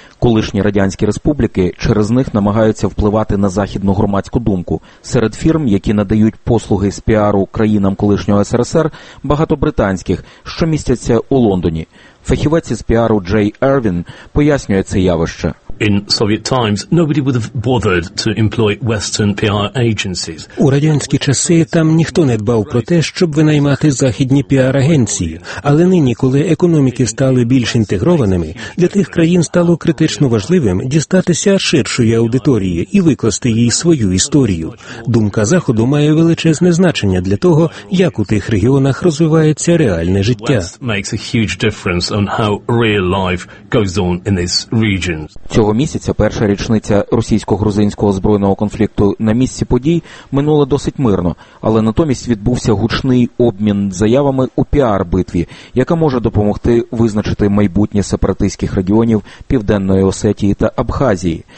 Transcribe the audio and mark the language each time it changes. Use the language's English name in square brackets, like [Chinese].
[Ukrainian] Колишні радянські республіки через них намагаються впливати на західну громадську думку. Серед фірм, які надають послуги з піару країнам колишнього СРСР, багато британських, що містяться у Лондоні. Фахівець із піару Джей Ервін пояснює це явище. [English] In Soviet times, nobody would have bothered to employ Western PR agencies. [Ukrainian] У радянські часи там ніхто не дбав про те, щоб винаймати західні піар-агенції. Але нині, коли економіки стали більш інтегрованими, для тих країн стало критично важливим дістатися ширшої аудиторії і викласти їй свою історію. Думка Заходу має величезне значення для того, як у тих регіонах розвивається реальне життя. [English] West makes a huge difference on how real life goes on in this region. [Ukrainian] Цього місяця перша річниця російсько-грузинського збройного конфлікту на місці подій минула досить мирно, але натомість відбувся гучний обмін заявами у піар-битві, яка може допомогти визначити майбутнє сепаратистських регіонів Південної Осетії та Абхазії.